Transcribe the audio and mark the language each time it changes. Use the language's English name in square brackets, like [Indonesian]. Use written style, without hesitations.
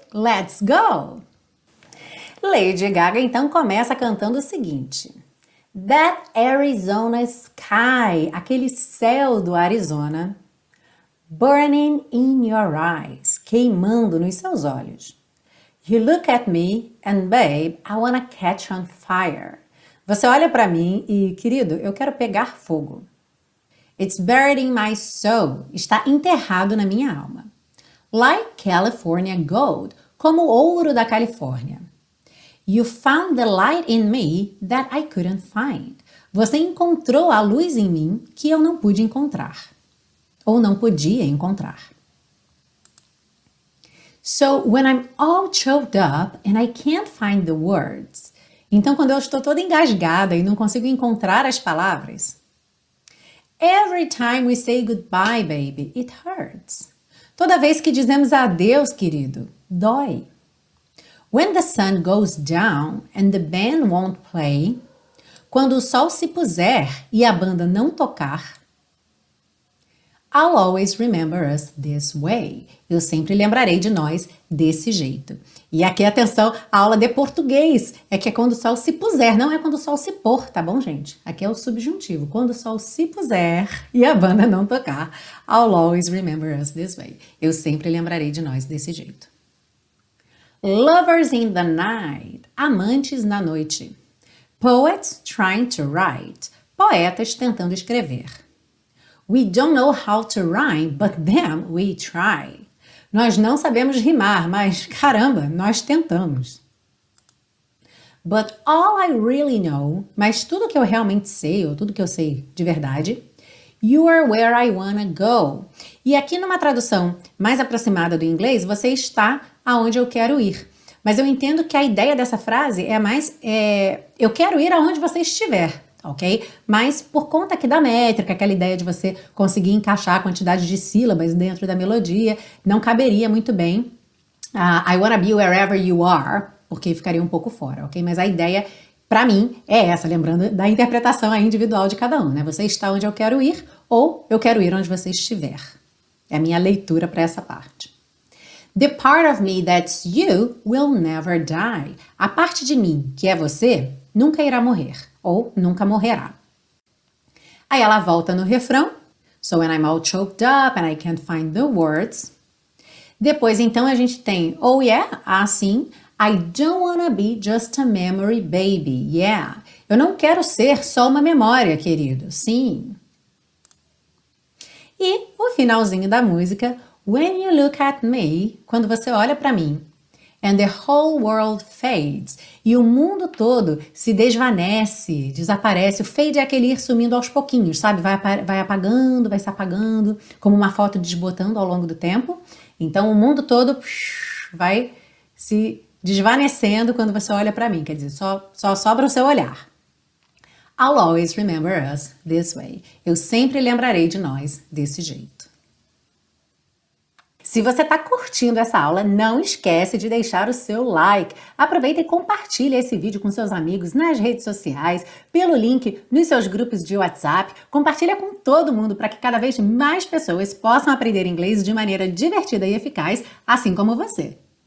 [English] Let's go! [Portuguese] Lady Gaga então começa cantando o seguinte. [English] That Arizona sky, [Portuguese] aquele céu do Arizona, [English] burning in your eyes, [Portuguese] queimando nos seus olhos. [English] You look at me and babe, I wanna catch on fire. [Portuguese] Você olha para mim e, querido, eu quero pegar fogo. [English] It's buried in my soul, [Portuguese] está enterrado na minha alma. [English] Like California gold, [Portuguese] como ouro da Califórnia. [English] You found the light in me that I couldn't find. [Portuguese] Você encontrou a luz em mim que eu não pude encontrar. Ou não podia encontrar. [English] So when I'm all choked up and I can't find the words. [Portuguese] Então quando eu estou toda engasgada e não consigo encontrar as palavras. [English] Every time we say goodbye, baby, it hurts. [Portuguese] Toda vez que dizemos adeus, querido, dói. [English] When the sun goes down and the band won't play. [Portuguese] Quando o sol se puser e a banda não tocar. [English] I'll always remember us this way. [Portuguese] Eu sempre lembrarei de nós desse jeito. E aqui, atenção, a aula de português. É que é quando o sol se puser, não é quando o sol se pôr, tá bom, gente? Aqui é o subjuntivo. Quando o sol se puser e a banda não tocar. [English] I'll always remember us this way. [Portuguese] Eu sempre lembrarei de nós desse jeito. [English] Lovers in the night, [Portuguese] amantes na noite. [English] Poets trying to write, [Portuguese] poetas tentando escrever. [English] We don't know how to rhyme, but then we try. [Portuguese] Nós não sabemos rimar, mas caramba, nós tentamos. [English] But all I really know, [Portuguese] mas tudo que eu realmente sei, ou tudo que eu sei de verdade, [English] you are where I wanna go. [Portuguese] E aqui numa tradução mais aproximada do inglês, você está aonde eu quero ir. Mas eu entendo que a ideia dessa frase é mais, eu quero ir aonde você estiver, ok? Mas por conta aqui da métrica, aquela ideia de você conseguir encaixar a quantidade de sílabas dentro da melodia, não caberia muito bem, [English] I wanna be wherever you are, [Portuguese] porque ficaria um pouco fora, ok? Mas a ideia, pra mim, é essa, lembrando da interpretação individual de cada um, né? Você está onde eu quero ir ou eu quero ir onde você estiver. É a minha leitura para essa parte. [English] The part of me that's you will never die. [Portuguese] A parte de mim que é você nunca irá morrer ou nunca morrerá. Aí ela volta no refrão. [English] So when I'm all choked up and I can't find the words. [Portuguese] Depois, então, a gente tem [English] oh yeah, [Portuguese] assim, [English] I don't wanna be just a memory baby, yeah. [Portuguese] Eu não quero ser só uma memória, querido, sim. E o finalzinho da música, [English] when you look at me, [Portuguese] quando você olha para mim, [English] and the whole world fades, [Portuguese] e o mundo todo se desvanece, desaparece. O fade é aquele ir sumindo aos pouquinhos, sabe? Vai apagando, vai se apagando, como uma foto desbotando ao longo do tempo. Então, o mundo todo vai se desvanecendo quando você olha para mim. Quer dizer, só sobra o seu olhar. [English] I'll always remember us this way. [Portuguese] Eu sempre lembrarei de nós desse jeito. Se você está curtindo essa aula, não esquece de deixar o seu like. Aproveita e compartilha esse vídeo com seus amigos nas redes sociais, pelo link nos seus grupos de WhatsApp. Compartilha com todo mundo para que cada vez mais pessoas possam aprender inglês de maneira divertida e eficaz, assim como você.